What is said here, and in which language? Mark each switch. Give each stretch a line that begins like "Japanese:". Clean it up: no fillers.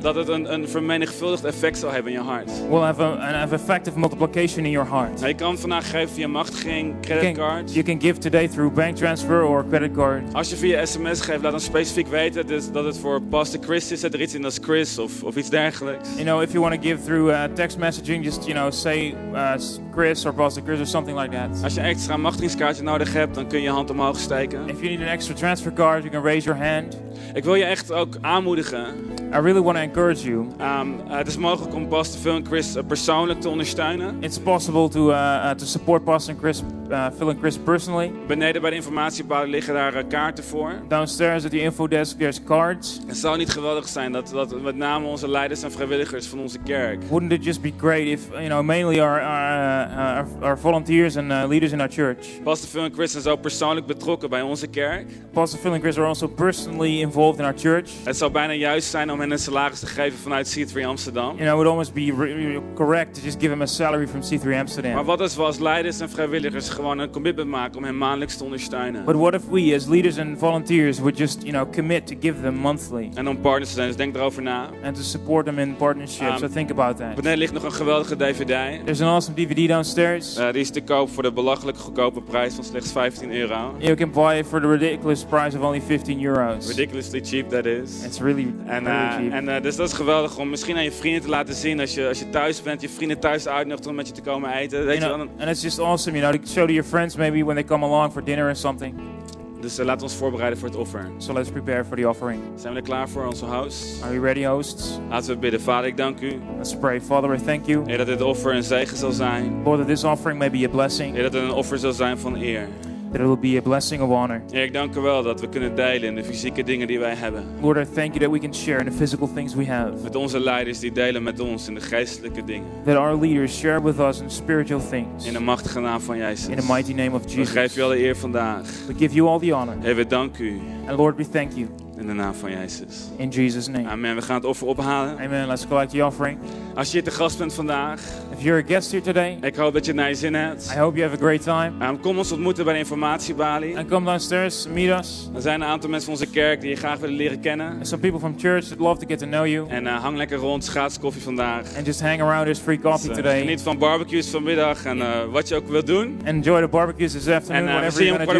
Dutch: Dat het een vermenigvuldigd effect zal hebben in je hart.
English: Will have an effect of multiplication in your heart.
Dutch: Je kan vandaag geven via machtiging, creditcard.
English: You can give today through bank transfer or credit card.
Dutch: Als je via sms geeft, laat dan specifiek weten dus dat het voor Pastor Chris is, dat er iets in als Chris of iets dergelijks.
English: You know, if you want to give through text messaging, just you know, say Chris or Pastor Chris or something like that.
Dutch: Als je een extra machtigingskaartje nodig hebt, dan kun je hand omhoog steken.
English: If you need an extra transfer card, you can raise your hand.
Dutch: Ik wil je echt ook aanmoedigen.
English: I really want to encourage you.
Dutch: Het is mogelijk om Pastor Phil en Chris persoonlijk te ondersteunen.
English: It's possible to support Pastor and Chris, Phil and Chris personally.
Dutch: Beneden bij de informatiebalie liggen daar kaarten voor.
English: Downstairs at the info desk there's cards.
Dutch: Het zou niet geweldig zijn dat met name onze leiders en vrijwilligers van onze kerk.
English: Wouldn't it just be great if you know mainly our volunteers and leaders in our church.
Dutch: Pastor Phil en Chris zijn zo persoonlijk betrokken bij onze kerk.
English: Pastor Phil and Chris are also personally involved in our church.
Dutch: Het zou bijna juist zijn om hen een salaris te geven vanuit C3 Amsterdam.
English: You know, it would almost be correct to just give him a salary from C3 Amsterdam.
Dutch: Maar wat als we als leiders en vrijwilligers gewoon een commitment maken om hen maandelijks te ondersteunen?
English: But what if we as leaders and volunteers would just, you know, commit to give them monthly?
Dutch: En om partners te zijn, dus denk erover na.
English: And to support them in partnership, so think about that.
Dutch: Beneden ligt nog een geweldige DVD.
English: There's an awesome DVD downstairs.
Dutch: Die is te koop voor de belachelijk goedkope prijs van slechts 15 euro.
English: You can buy it for the ridiculous price of only 15 euros. Ridiculously cheap that is. It's really
Dutch: En dus dat is geweldig om misschien aan je vrienden te laten zien als je thuis bent, je vrienden thuis uitnodigt om met je te komen eten. Weet
English: you know, and it's just awesome, you know, to show to your friends maybe when they come along for dinner or something.
Dutch: Dus laat ons voorbereiden voor het offer.
English: So let's prepare for the offering.
Dutch: Zijn we er klaar voor, onze host?
English: Are we ready, hosts?
Dutch: Laten we bidden. Vader, ik dank u.
English: Let's pray. Father, I thank you.
Dutch: Heer, dat dit offer een zegen zal zijn.
English: Lord, that this offering may be a blessing.
Dutch: Heer, dat het een offer zal zijn van eer.
English: That it will be a blessing of honor.
Dutch: Heer, ik dank u wel dat we kunnen delen in de fysieke dingen die wij hebben.
English: Lord, I thank you that we can share in the physical things we have.
Dutch: Met onze leiders die delen met ons in de geestelijke dingen.
English: That our leaders share with us in spiritual things.
Dutch: In de machtige naam van Jezus.
English: In the mighty name of Jesus.
Dutch: We geven u alle eer vandaag.
English: We give you all the honor.
Dutch: Heer, we dank u.
English: And Lord, we thank you.
Dutch: In de naam van Jezus.
English: In Jesus' name.
Dutch: Amen. We gaan het offer ophalen.
English: Amen. Let's collect the offering.
Dutch: Als je hier te gast bent vandaag.
English: If you're a guest here today.
Dutch: Ik hoop dat je naar je zin hebt.
English: I hope you have a great time.
Dutch: Kom ons ontmoeten bij de informatiebalie.
English: And come downstairs, meet us.
Dutch: Er zijn een aantal mensen van onze kerk die je graag willen leren kennen.
English: And some people from church that love to get to know you.
Dutch: En hang lekker rond, gratis koffie vandaag.
English: And just hang around, there's free coffee today.
Dutch: Geniet van barbecues vanmiddag en wat je ook wilt doen.
English: Enjoy the barbecues this afternoon, whatever you want to do.